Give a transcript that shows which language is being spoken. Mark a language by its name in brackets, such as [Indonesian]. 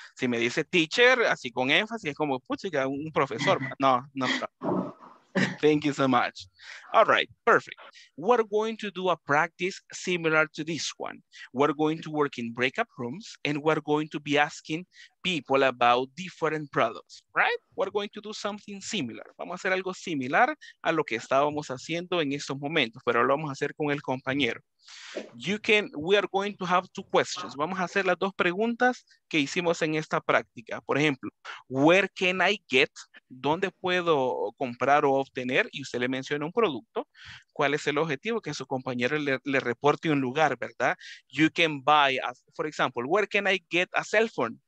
[Spanish] Si me dice teacher, así con énfasis, es como, pucha, un profesor. No, no. [English] Thank you so much. All right, perfect. We're going to do a practice similar to this one. We're going to work in breakout rooms and we're going to be asking people about different products, right? We're going to do something similar. [Spanish] Vamos a hacer algo similar a lo que estábamos haciendo en estos momentos, pero lo vamos a hacer con el compañero. [English] We are going to have two questions. [Spanish] Vamos a hacer las dos preguntas que hicimos en esta práctica. Por ejemplo, [English] where can I get? [Spanish] ¿Dónde puedo comprar o obtener? Y usted le menciona un producto. ¿Cuál es el objetivo? Que su compañero le reporte un lugar, ¿verdad? [English] You can buy, for example, where can I get a cell phone?